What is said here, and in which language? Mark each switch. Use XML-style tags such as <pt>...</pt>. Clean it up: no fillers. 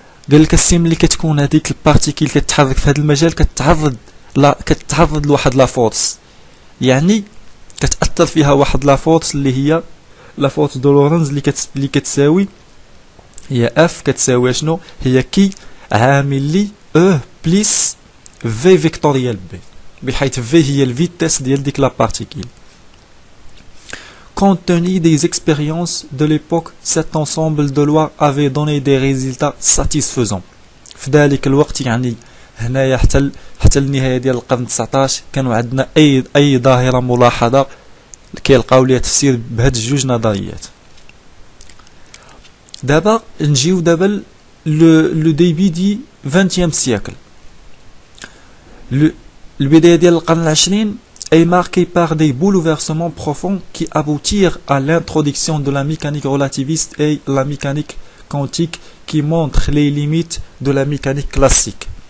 <ar>قال لك السيم اللي كتكون هذيك البارتيكيل كتحرك في هذا المجال كتعرض لا كتعرض لواحد لا فورس يعني كتاثر فيها واحد لا فورس اللي هي لا فورس دو لورنز اللي اللي كتساوي هي اف كتساوي شنو هي كي عامل لي او بليس في فيكتوريال بي بحيث في هي الفيتاس ديال ديك لا بارتيكيل.</ar> <fr>Compte tenu des expériences de l'époque, cet ensemble de lois avait donné des résultats satisfaisants.</fr> <ar>فذلك الوقت يعني هنا حتى النهاية ديال القرن 19 كانوا عندنا أي ظاهرة ملاحظة كيلقاو ليها تفسير بهاد الجوج نظريات. دابا نجيو دابا لو ديبي دي 20 سيكل. البداية ديال القرن العشرين</ar> <fr>est marqué par des bouleversements profonds qui aboutirent à l'introduction de la mécanique relativiste et la mécanique quantique qui montrent les limites de la mécanique classique.</fr>